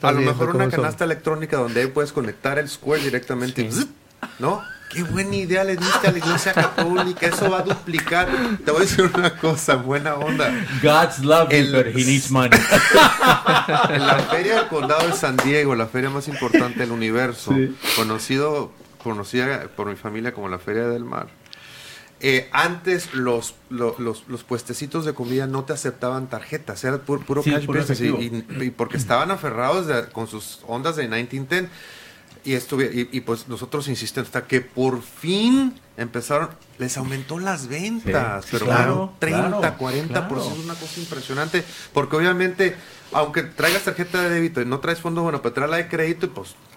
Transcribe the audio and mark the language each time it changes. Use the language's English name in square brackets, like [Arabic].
[Spanish] A lo mejor una canasta electrónica donde puedes conectar el Square directamente. ¿No? Qué buena idea le diste a la Iglesia Católica. Eso va a duplicar. Te voy a decir una cosa, buena onda. [English] God's love you, but he needs money. [Spanish] En la Feria del Condado de San Diego, la feria más importante del universo, sí. conocida por mi familia como la Feria del Mar, antes los puestecitos de comida no te aceptaban tarjetas, era puro cash business. Y porque estaban aferrados con sus ondas de 1910, Y pues nosotros insistimos hasta que por fin empezaron, les aumentó las ventas, sí, pero claro, 30-40%, claro. Es una cosa impresionante, porque obviamente, aunque traigas tarjeta de débito y no traes fondo, bueno, pero traes la de crédito y pues...